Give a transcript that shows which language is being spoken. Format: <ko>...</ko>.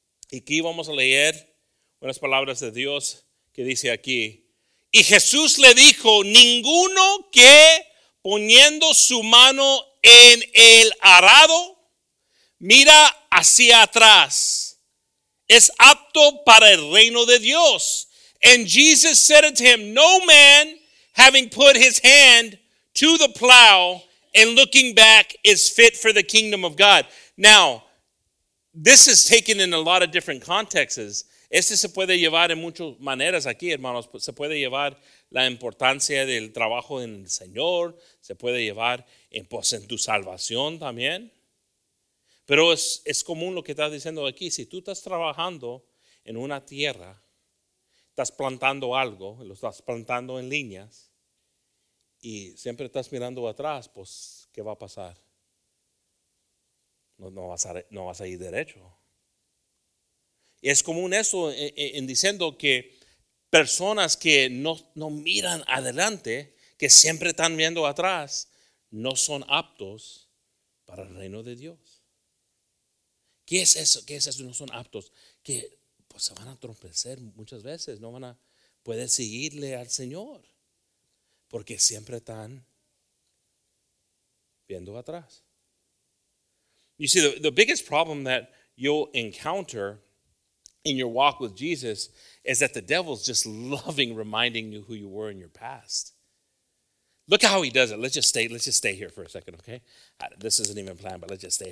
<es>Y aquí vamos a leer unas palabras de Dios que dice aquí. Y Jesús le dijo, ninguno que poniendo su mano en el arado, mira hacia atrás, es apto para el reino de Dios.</es> <en>And Jesus said unto him, no man having put his hand to the plow and looking back is fit for the kingdom of God. Now, this is taken in a lot of different contexts.</en> <es>Este se puede llevar en muchas maneras aquí, hermanos. Se puede llevar la importancia del trabajo en el Señor. Se puede llevar en, pues, en tu salvación también. Pero es común lo que estás diciendo aquí. Si tú estás trabajando en una tierra, estás plantando algo, lo estás plantando en líneas, y siempre estás mirando atrás, pues, ¿qué va a pasar? No vas a ir derecho. Y es común eso en diciendo que personas que no miran adelante, que siempre están viendo atrás, no son aptos para el reino de Dios. ¿Qué es eso? ¿Qué es eso? No son aptos. Que pues se van a tropezar muchas veces. No van a poder seguirle al Señor. Porque siempre están viendo atrás.</es> <en>You see, the biggest problem that you'll encounter in your walk with Jesus is that the devil's just loving reminding you who you were in your past. Look how he does it. Let's just stay here for a second, okay? This isn't even planned, but let's just stay.</en>